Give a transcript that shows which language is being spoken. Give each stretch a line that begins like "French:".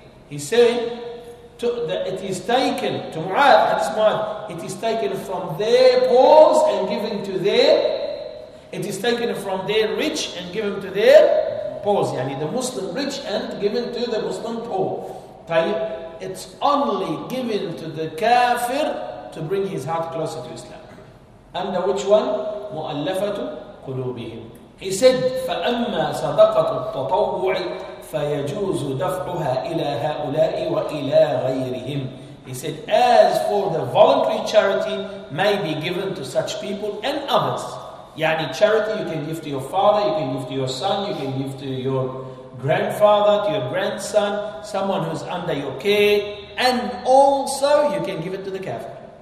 English: He said that it is taken to Mu'adh, it is taken from their poor and given to their, it is taken from their rich and given to their poor. Yani the Muslim rich and given to the Muslim poor. طيب, it's only given to the kafir to bring his heart closer to Islam. Under which one?
Arabic: مُؤَلَّفَةُ قُلُوبِهِمْ.
English: He said,
Arabic: فَأَمَّا صَدَقَةُ التَّطَوُّعِ فَيَجُوزُ دَفْعُهَا إِلَى هَؤُلَاءِ وَإِلَى غَيْرِهِمْ.
English: He said, as for the voluntary charity may be given to such people and others. Yani charity you can give to your father, you can give to your son, you can give to your grandfather, to your grandson, someone who's under your care, and also you can give it to the kafir.